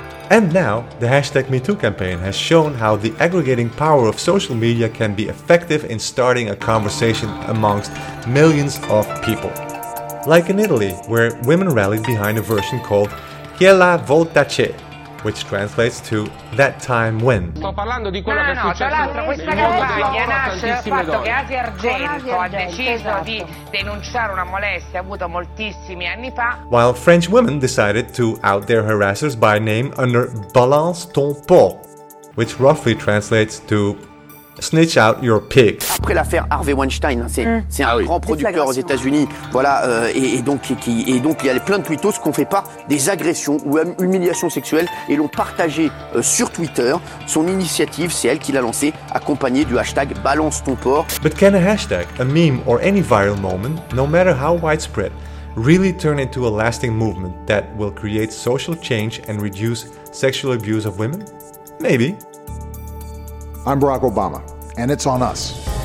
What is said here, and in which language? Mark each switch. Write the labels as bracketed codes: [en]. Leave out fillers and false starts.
[en] And now, the hashtag MeToo campaign has shown how the aggregating power of social media can be effective in starting a conversation amongst millions of people. Like in Italy, where women rallied behind a version called Che la volta c'è, which translates to that time when. [it] Sto parlando di quello che è successo. Questa campagna nasce dal fatto che Asia Argento ha deciso di denunciare una molestia avuta moltissimi anni fa. [en] While French women decided to out their harassers by name under Balance ton porc, which roughly translates to snitch out your pig. [fr] Après l'affaire Harvey Weinstein, c'est un grand producteur aux États-Unis, voilà, et donc il y a plein de tweetos qu'on fait pas des agressions ou même humiliations sexuelles et l'ont partagé sur Twitter. Son initiative, c'est elle qui l'a lancée, accompagnée du hashtag Balance ton porc. [en] But can a hashtag, a meme, or any viral moment, no matter how widespread, really turn into a lasting movement that will create social change and reduce sexual abuse of women? Maybe. I'm Barack Obama, and It's On Us.